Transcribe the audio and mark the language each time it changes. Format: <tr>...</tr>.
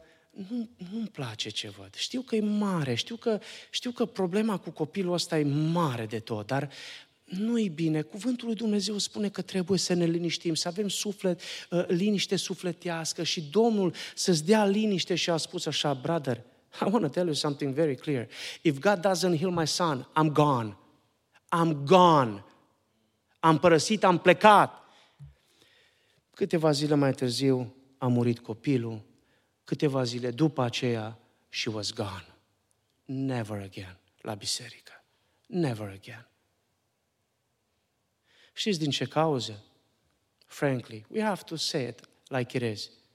<ro>Nu-mi place ce văd. Știu că e mare, știu că problema cu copilul ăsta e mare de tot, dar nu-i bine. Cuvântul lui Dumnezeu spune că trebuie să ne liniștim, să avem liniște sufletească și Domnul să-ți dea liniște și a spus așa,</ro> <en>brother, I want to tell you something very clear. If God doesn't heal my son, I'm gone. I'm gone.</en> <ro>Am părăsit, am plecat. Câteva zile mai târziu a murit copilul. Câteva zile după aceea,</ro> <en>she was gone. Never again</en> <ro>la biserică.</ro> <en>Never again.</en> <ro>Știți din ce cauză?</ro> <en>Frankly, we have to say it like it is.</en>